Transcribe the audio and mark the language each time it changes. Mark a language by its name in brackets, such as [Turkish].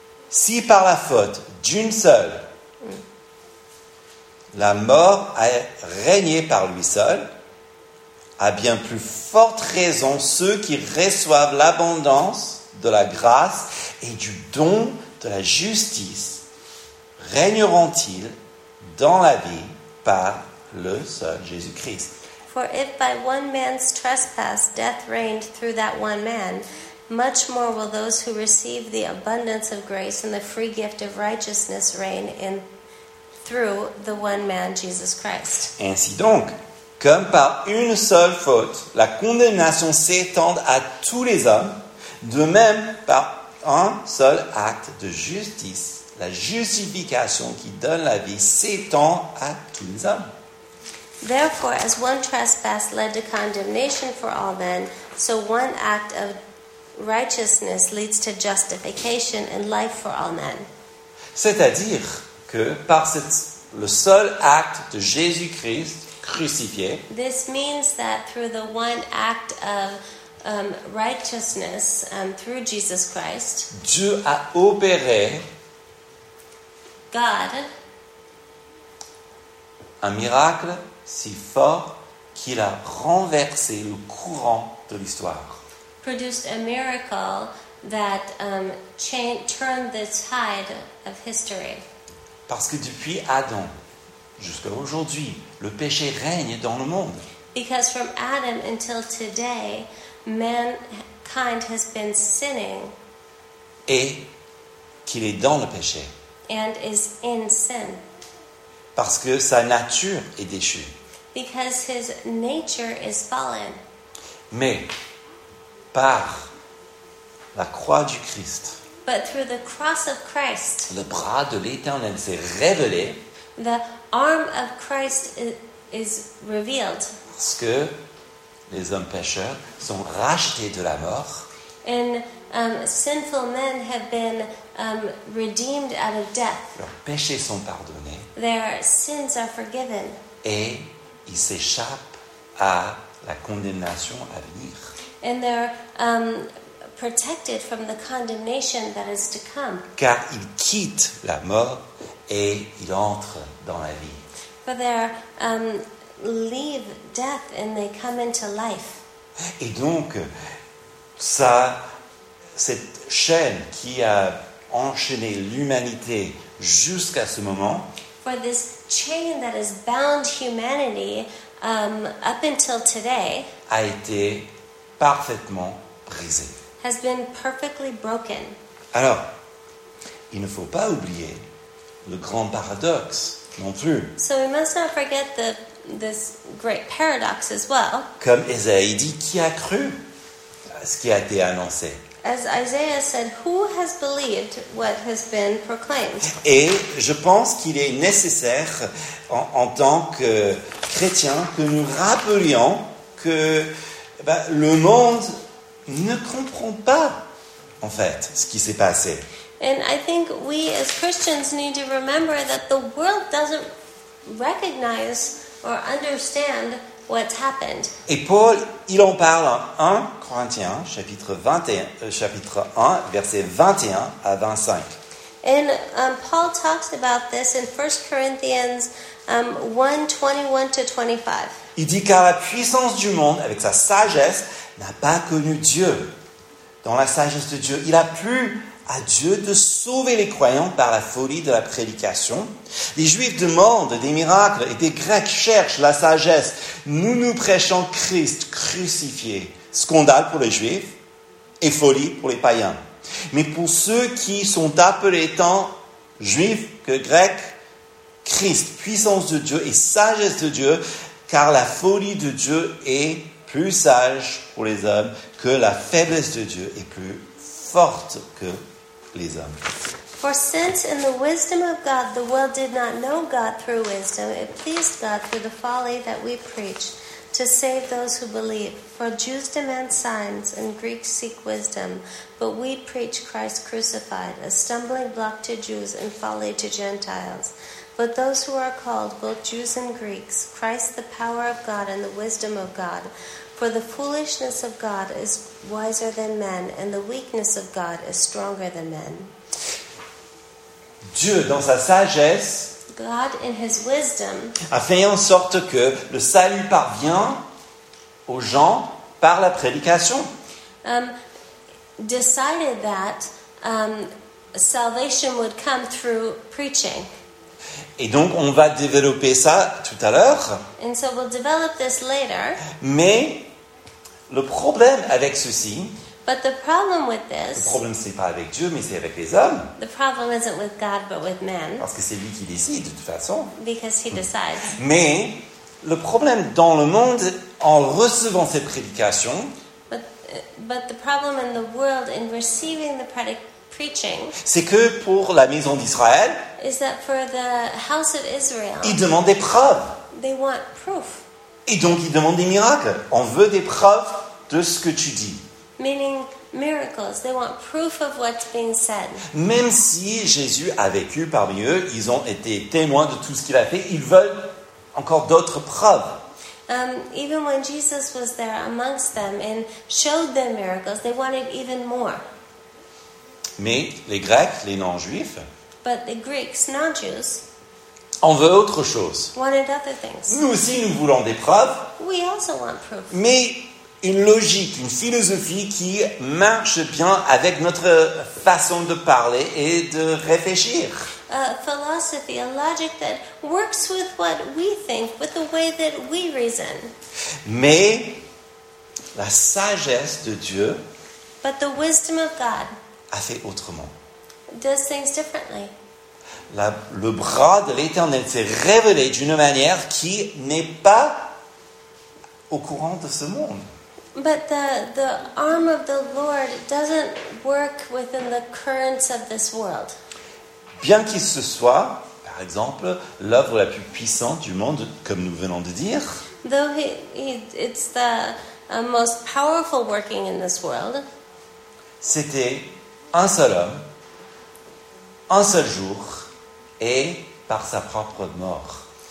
[French] Si par la faute d'une seule, la mort a régné par lui seul, à bien plus forte raison ceux qui reçoivent l'abondance de la grâce et du don de la justice régneront-ils dans la vie par le seul Jésus-Christ. [English] For if by one man's trespass death reigned through that one man, much more will those who receive the abundance of grace and the free gift of righteousness reign in through the one man, Jesus Christ. [French] Ainsi donc, comme par une seule faute, la condamnation s'étend à tous les hommes, de même par un seul acte de justice, la justification qui donne la vie s'étend à tous les hommes. [English] Therefore, as one trespass led to condemnation for all men, so one act of righteousness leads to justification and life for all men. [French] C'est-à-dire que par le seul acte de Jésus-Christ crucifié, [English] this means that through the one act of righteousness through Jesus Christ, [French] Dieu a opéré [English] God [French] un miracle si fort qu'il a renversé le courant de l'histoire. [English] Produced a miracle that turned the tide of history. [French] Parce que depuis Adam jusqu'à aujourd'hui, le péché règne dans le monde. [English] Because from Adam until today, mankind has been sinning. [French] Et qu'il est dans le péché. [English] And is in sin. [French] Parce que sa nature est déchue. [English] Because his nature is fallen. [French] Mais par la croix du Christ, [English] but through the cross of Christ, [French] le bras de l'Éternel s'est révélé. [English] The arm of Christ is revealed. [French] Parce que les hommes pécheurs sont rachetés de la mort. [English] And sinful men have been redeemed out of death. [French] Leurs péchés sont pardonnés. [English] Their sins are forgiven. [French] Et ils s'échappent à la condamnation à venir. [English] And they're protected from the condemnation that is to come. [French] Car ils quittent la mort et ils entrent dans la vie. [English] For they're leave death and they come into life. [French] Et donc, ça, cette chaîne qui a enchaîné l'humanité jusqu'à ce moment, [English] for this chain that has bound humanity up until today, [French] a été parfaitement brisée. [English] Has been perfectly broken. [French] Alors, il ne faut pas oublier le grand paradoxe non plus. [English] So we must not forget the this great paradox as well. [French] Comme Isaïe dit, qui a cru ce qui a été annoncé? [English] As Isaiah said, who has believed what has been proclaimed? [French] Et je pense qu'il est nécessaire en tant que chrétien que nous rappelions que le monde ne comprend pas en fait ce qui s'est passé. [English] And I think we as Christians need to remember that the world doesn't recognize or understand what's happened. [French] Et Paul, il en parle en 1 Corinthiens, chapitre 1, versets 21 à 25. [English] And Paul talks about this in 1 Corinthians 1, 21 to 25. [French] Il dit, car la puissance du monde, avec sa sagesse, n'a pas connu Dieu. Dans la sagesse de Dieu, il a plu à Dieu de sauver les croyants par la folie de la prédication. Les Juifs demandent des miracles et des Grecs cherchent la sagesse. Nous prêchons Christ crucifié. Scandale pour les Juifs et folie pour les païens. Mais pour ceux qui sont appelés tant Juifs que Grecs, Christ, puissance de Dieu et sagesse de Dieu, car la folie de Dieu est plus sage pour les hommes que la faiblesse de Dieu est plus forte que les hommes. [English] For since in the wisdom of God the world did not know God through wisdom, it pleased God through the folly that we preach to save those who believe. For Jews demand signs and Greeks seek wisdom, but we preach Christ crucified, a stumbling block to Jews and folly to Gentiles. But those who are called, both Jews and Greeks, Christ the power of God and the wisdom of God. For the foolishness of God is wiser than men, and the weakness of God is stronger than men. [French] Dieu, dans sa sagesse, [English] God, in his wisdom, [French] a fait en sorte que le salut parvient aux gens par la prédication. [English] Decided that salvation would come through preaching. [French] Et donc, on va développer ça tout à l'heure. [English] And so we'll develop this later. [French] Mais le problème avec ceci, [English] but the problem with this, [French] le problème, ce n'est pas avec Dieu, mais c'est avec les hommes. [English] The problem isn't with God, but with men. [French] Parce que c'est lui qui décide, de toute façon. [English] Because he decides. [French] Mais le problème dans le monde, en recevant cette prédication, [English] but the problem in the world in receiving the preaching, [French] c'est que pour la maison d'Israël, [English] is that for the house of Israel, [French] ils demandent des preuves. [English] They want proof. [French] Et donc, ils demandent des miracles. On veut des preuves de ce que tu dis. [English] Meaning miracles. They want proof of what's being said. [French] Même si Jésus a vécu parmi eux, ils ont été témoins de tout ce qu'il a fait, ils veulent encore d'autres preuves. [English] Even when Jesus was there amongst them and showed them miracles, they wanted even more. [French] Mais les Grecs, les non-juifs, [English] but the Greeks, non-Jews, [French] on veut autre chose. [English] Wanted other things. [French] Nous aussi, nous voulons des preuves. [English] We also want proof. [French] Mais une logique, une philosophie qui marche bien avec notre façon de parler et de réfléchir. [English] A philosophy, a logic that works with what we think, with the way that we reason. [French] Mais la sagesse de Dieu, [English] but the wisdom of God, [French] a fait autrement. [English] does things differently. [French] Le bras de l'Éternel s'est révélé d'une manière qui n'est pas au courant de ce monde. [English] But the arm of the Lord doesn't work within the currents of this world. [French] Bien qu'il se soit, par exemple, l'œuvre la plus puissante du monde, comme nous venons de dire. [English] Though it's the most powerful working in this world. [French] C'était un seul homme, un seul jour, et par sa propre mort.